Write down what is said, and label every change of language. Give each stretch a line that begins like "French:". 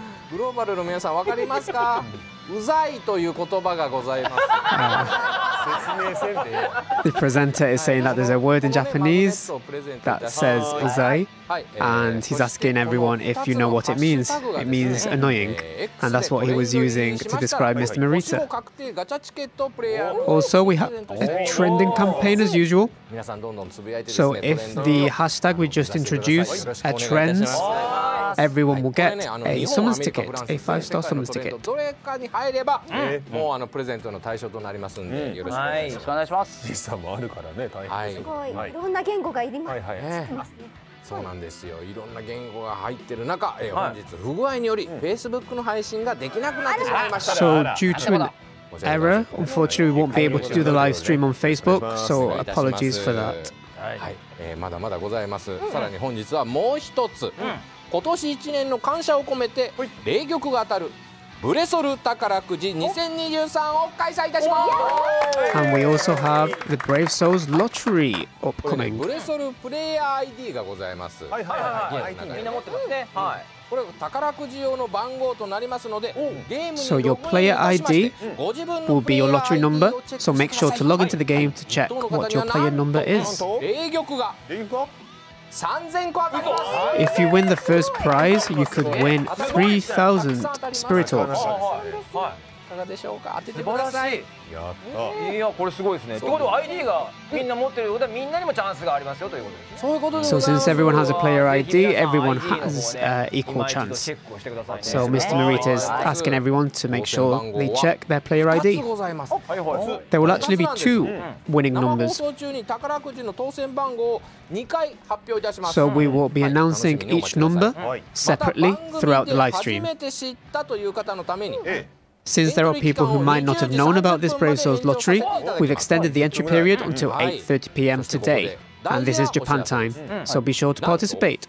Japanese: グローバルの皆さん分かりますか？うざいという言葉がございます。説明せんで。
English: The presenter is saying that there's a word in Japanese that says うざい、はい、and he's asking everyone if you know what it means. It means annoying, and that's what he was using to describe Mr. Marita. Also, we have a trending campaign as usual. So if the hashtag we just introduced trends, everyone will get a summons ticket, a 5-star summons ticket.
Japanese: 入れば、うん、もうあのプレゼントの対象となりますんで、うん、よろしくお願いします。実際もあるからね、大変、はい、すごい、はい、いろんな言語がいりますね、はいはい、そうなんですよ、いろんな言語が入ってる中、はい、本日不具合により、うん、Facebook の配信ができなくなってしまいました、
English: うん、So due to an error, unfortunately we won't be able to do the live stream on Facebook, so apologies for that、
Japanese: はいはい、まだまだございます、うん、さらに本日はもう一つ、うん、今年1年の感謝を込めて霊曲が当たるブレソル宝くじ2023を開催いたします。
English: And we also have the Brave Souls Lottery upcoming。
Japanese: ブレソルプレイヤー ID がございます。はいはいはい、はい、ID みんな持ってますね、うん、はい、これ宝くじ用の番号となりますので、ゲームに
English: So your player ID will be your lottery number, so make sure to log into the game to check what your player number is。
Japanese: 霊玉が3000個当たります。
English: If you win the first prize, you could win 3000 spirit orbs。
Japanese: いかがでしょうか、当ててください。やった、いやこれすごいですね。ということは ID がみんな持ってるようで、みんなにもチャンスがありますよということですね。そういうことです。
English: So since everyone has a player ID, everyone has equal chance。 So Mr. Marita is asking everyone to make sure they check their player ID。 There will actually be two winning numbers。
Japanese: 生放送中に宝くじの当選番号2回発表いたします。
English: So we will be announcing each number separately throughout the live stream。
Japanese: また番組で初めて知ったという方のために、
English: Since there are people who might not have known about this Brave Souls Lottery, we've extended the entry period until 8:30 PM today, and this is Japan time, so be sure to participate.